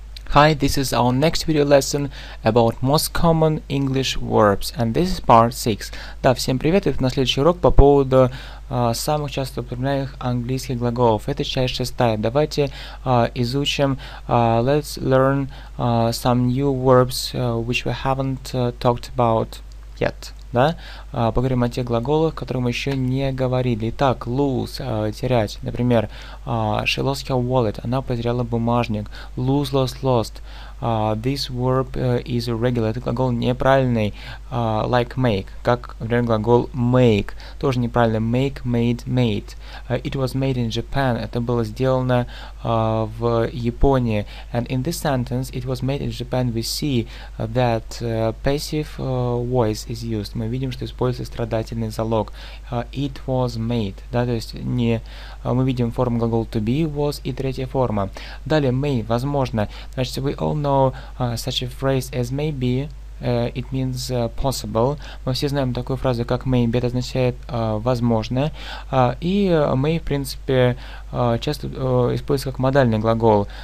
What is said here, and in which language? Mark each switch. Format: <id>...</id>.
<en>Hi, this is our next video lesson about most common English verbs, and this is part 6.</en> <ru>Да, всем привет, это на следующий урок по поводу самых часто употребляемых английских глаголов. Это часть 6. Давайте изучим,</ru> <en>let's learn some new verbs which we haven't talked about yet.</en> <ru>Да? Поговорим о тех глаголах, которые мы еще не говорили. Итак,</ru> <en>lose –</en> <ru>терять. Например,</ru> <en>she lost her wallet –</en> <ru>она потеряла бумажник.</ru> <en>Lose, lost, lost. This verb is irregular –</en> <ru>это глагол неправильный.</ru> <en>Like make</en> <ru>– как, например, глагол make – тоже неправильно.</ru> <en>Make, made, made. It was made in Japan –</en> <ru>это было сделано в Японии.</ru> <en>And in this sentence, it was made in Japan, we see that passive voice is used.</en> <ru>Мы видим, что используется страдательный залог.</ru> <en>It was made.</en> <ru>Да, то есть не, мы видим форму глагола to be, was и третья форма. Далее, may, возможно. Значит,</ru> <en>we all know such a phrase as maybe. It means possible.</en> <ru>Мы все знаем такую фразу, как maybe. Это означает возможно. И may, в принципе, часто используется как модальный глагол.</ru>